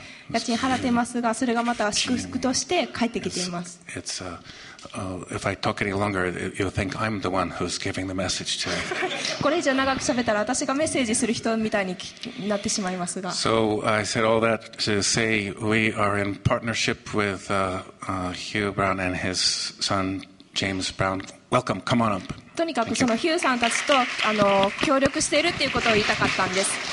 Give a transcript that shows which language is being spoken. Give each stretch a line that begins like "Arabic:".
Japanese: 家賃払ってますが、それがまた祝福として返ってきています。
English: it's aIf I talk any longer, you'll think I'm the one who's giving the message today.
Japanese: これ以上長く喋ったら私がメッセージする人みたいになってしまいますが。
English: So I said all that to say we are in partnership with Hugh Brown and his son James Brown. Welcome, come on up.
Japanese: とにかくそのヒューさんたちと協力しているっていうことを言いたかったんです。